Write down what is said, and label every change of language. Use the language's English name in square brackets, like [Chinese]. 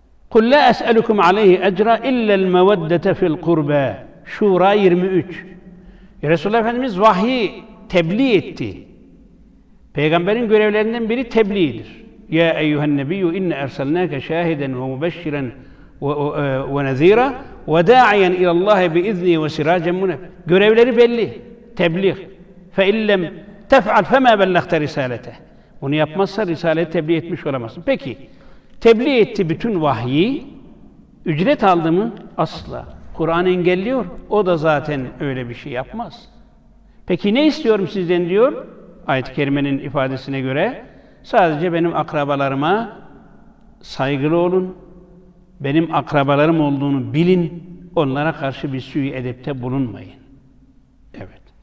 [Arabic] قُلْ لَا أَسْأَلُكُمْ عَلَيْهِ اَجْرًا اِلَّا الْمَوَدَّةَ فِي الْقُرْبَى Şura 23. [Turkish] Resulullah Efendimiz vahyi tebliğ etti. Peygamberin görevlerinden biri tebliğdir. [Arabic] يَا اَيُّهَا النَّبِيُّ اِنَّ اَرْسَلْنَاكَ شَاهِدًا وَمُبَشِّرًا وَنَذ۪يرًا وَدَاعِيًا اِلَى اللّٰهِ بِاِذْنِي وَسِرَاجًا مُنَبِيًا [Turkish] Görevleri belli. Tebliğ. [Arabic] فَاِلَّمْ تَفْعَلْ فَمَا بَلَّغْتَ رِسَالَتَهِ [Turkish] Bunu yapmazsa risaleyi tebliğ etmiş olamazsın. Peki, tebliğ etti bütün vahyi, ücret aldı mı? Asla. Kur'an engelliyor, o da zaten öyle bir şey yapmaz. Peki ne istiyorum sizden diyor? Ayet-i Kerime'nin ifadesine göre, sadece benim akrabalarıma saygılı olun, benim akrabalarım olduğunu bilin, onlara karşı bir sui edepte bulunmayın. Evet.